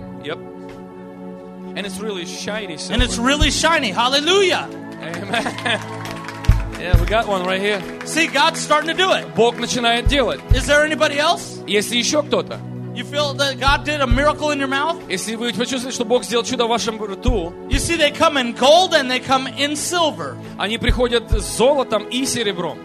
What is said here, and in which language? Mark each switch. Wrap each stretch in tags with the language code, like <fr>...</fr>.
<en>Yep. And it's really shiny. Somewhere. And it's really shiny. Hallelujah. Amen. Yeah, we got one right here. See, God's starting to do it.</en> <ru>Бог начинает делать.</ru> <en>Is there anybody else?</en> <ru>Есть ли еще кто-то?</ru> <en>You feel that God did a miracle in your mouth?</en> <ru>Если вы почувствовали, что Бог сделал чудо в вашем рту.</ru> <en>You see, they come in gold and they come in silver.</en> <ru>Они приходят с золотом и серебром.</ru>